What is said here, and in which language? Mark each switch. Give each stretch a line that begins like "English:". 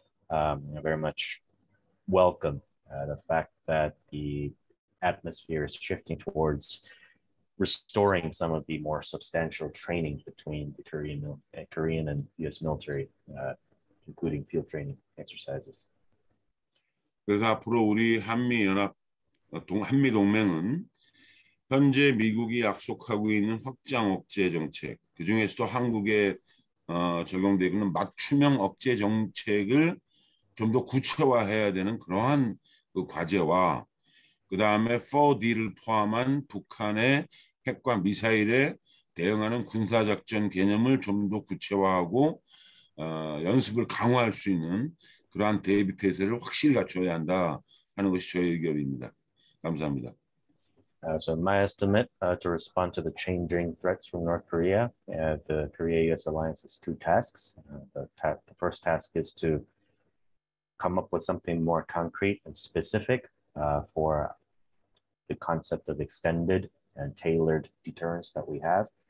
English: I very much welcome the fact that the atmosphere is shifting towards restoring some of the more substantial training between the Korean and U.S. military, including field training exercises.
Korean: 그래서 앞으로 우리 한미 동맹은 현재 미국이 약속하고 있는 확장 억제 정책, 그 중에서도 한국에 적용되고 있는 맞춤형 억제 정책을 좀 더 구체화해야 되는 그러한 그 과제와 그 다음에 4D를 포함한 북한의 핵과 미사일에 대응하는 군사작전 개념을 좀 더 구체화하고 연습을 강화할 수 있는 그러한 대비 태세를 확실히 갖춰야 한다 하는 것이 저의 의견입니다. 감사합니다.
English: So in my estimate, to respond to the changing threats from North Korea, the Korea-US alliance has two tasks. The first task is to come up with something more concrete and specific for the concept of extended and tailored deterrence that we have.